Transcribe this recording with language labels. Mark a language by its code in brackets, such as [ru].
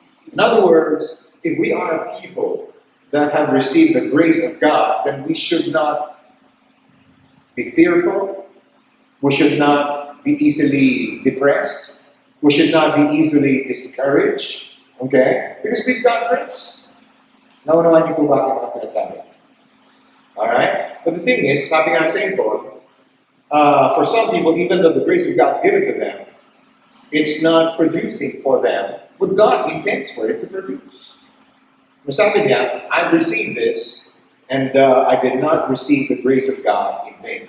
[en] In other words, if we are a people that have received the grace of God, then we should not be fearful. We should not be easily depressed. We should not be easily discouraged. Okay? Because we've got grace. [tl] Naunawaan niyo po bakit ang sinasabi. [en] Alright? But the thing is, [tl] sabi nga sa inyo, [en] for some people, even though the grace of God is given to them, it's not producing for them what God intends for it to produce. [tl] Sabi niya, [en] I've received this, and I did not receive the grace of God in vain.